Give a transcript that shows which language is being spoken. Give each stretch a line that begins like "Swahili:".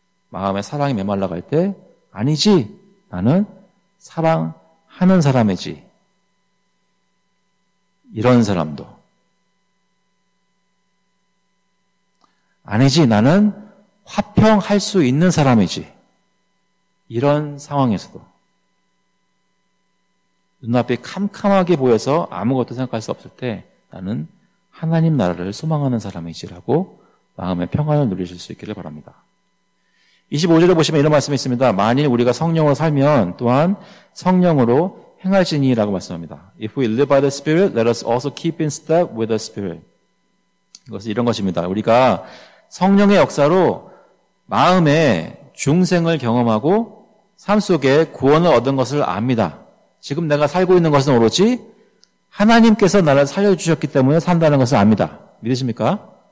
Korean: 마음의 사랑이 메말라갈 때 아니지 나는 사랑하는 사람이지 이런 사람도 아니지 나는 화평할 수 있는 사람이지 이런 상황에서도 눈앞이 캄캄하게 보여서 아무것도 생각할 수 없을 때 나는 하나님 나라를 소망하는 사람이지라고 마음의 평안을 누리실 수 있기를 바랍니다. 25절에 보시면 이런 말씀이 있습니다. 만일 우리가 성령으로 살면 또한 성령으로 행할지니라고 말씀합니다.
English: If we live by the Spirit, let us also keep in step with the Spirit.
Korean: 이것은 이런 것입니다. 우리가 성령의 역사로 마음에 중생을 경험하고 삶 속에 구원을 얻은 것을 압니다. 지금 내가 살고 있는 것은 오로지 하나님께서 나를 살려주셨기 때문에 산다는 것을 압니다. 믿으십니까?